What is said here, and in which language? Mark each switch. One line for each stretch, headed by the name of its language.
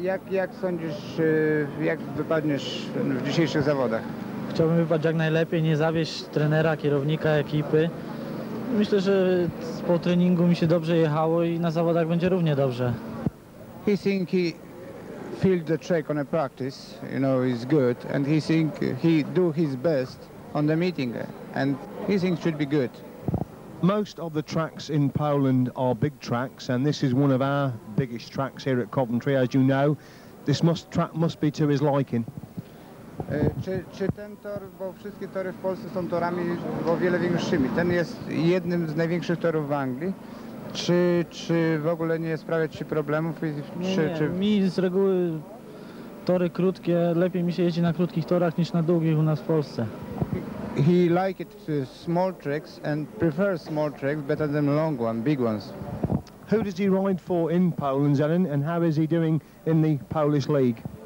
Polish: Jak sądzisz, jak wypadniesz w dzisiejszych zawodach? Chciałbym wypaść jak najlepiej, nie zawieść trenera, kierownika, ekipy. Myślę, że po treningu mi się dobrze jechało I na zawodach będzie równie dobrze.
English: He think he feel the track on a practice, you know, is good. And he think he do his best on the meeting. And he thinks should be good. Most of the tracks in Poland are big tracks, and this is one of our biggest tracks here at Coventry, as you know. This track must be to his liking.
Polish: Czy ten tor, bo wszystkie tory w Polsce są torami o wiele większymi, ten jest jednym z największych torów w Anglii, czy w ogóle nie sprawia ci problemów? Nie, mi z reguły tory krótkie, lepiej mi się jeździ na krótkich torach niż na długich u nas w Polsce.
English: He liked small tracks and prefers small tracks better than long ones, big ones. Who does he ride for in Poland, Zenon, and how is he doing in the Polish league?